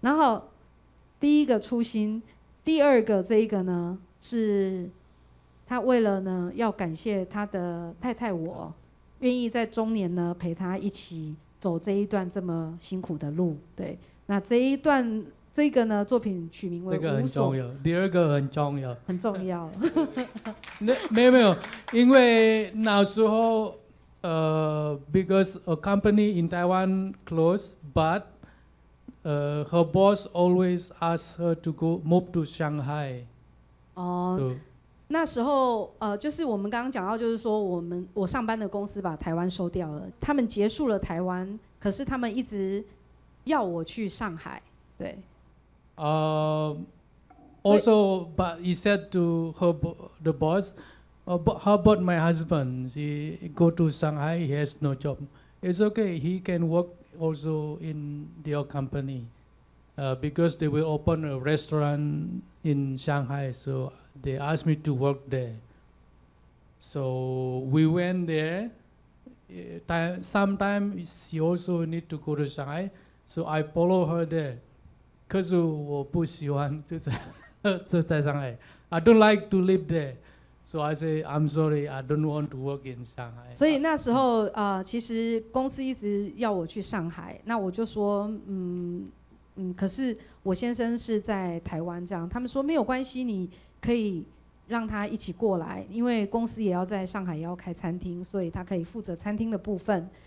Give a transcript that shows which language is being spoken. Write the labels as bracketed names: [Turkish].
[Chinese] 然后第一个初心，第二个这一个呢，是他为了呢要感谢他的太太我，愿意在中年呢陪他一起走这一段这么辛苦的路。对，那这一段。这个呢，作品取名为《无所》。这个很重要，第二个很重要，很重要。没有，因为那时候， [English] because a company in Taiwan closed, but, her boss always asked her to go move to Shanghai. [Chinese] 哦、so, ，那时候，就是我们刚刚讲到，就是说，我上班的公司把台湾收掉了，他们结束了台湾，可是他们一直要我去上海，对。 [English] Also, but he said to her, the boss, how about my husband? He go to Shanghai, he has no job. It's okay, he can work also in your company, because they will open a restaurant in Shanghai, so they asked me to work there. So we went there. Sometimes she also need to go to Shanghai, so I follow her there. [Chinese] 可是我不喜欢就在上海 [English] I don't like to live there So I say, I'm sorry, I don't want to work in Shanghai. [Chinese] 所以那时候啊，其实公司一直要我去上海，那我就说，可是我先生是在台湾，这样他们说没有关系，你可以让他一起过来，因为公司也要在上海也要开餐厅，所以他可以负责餐厅的部分。